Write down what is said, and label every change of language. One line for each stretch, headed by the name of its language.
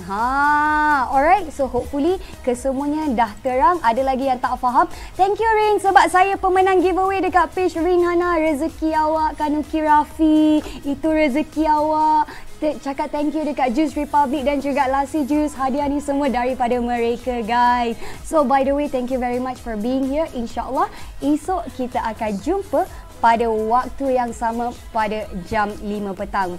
English: Ha, alright. So hopefully
Malay: kesemuanya dah terang. Ada lagi yang tak faham,
English: thank you
Malay: Rin sebab saya pemenang giveaway dekat page Rin Hana. Rezeki awak Kanuki Rafi. Itu rezeki awak. Cakap
English: thank you
Malay: dekat Juice Republic dan juga Lassi Juice. Hadiah ni semua daripada mereka guys.
English: So by the way, thank you very much for being here.
Malay: InsyaAllah esok kita akan jumpa pada waktu yang sama pada jam 5 petang.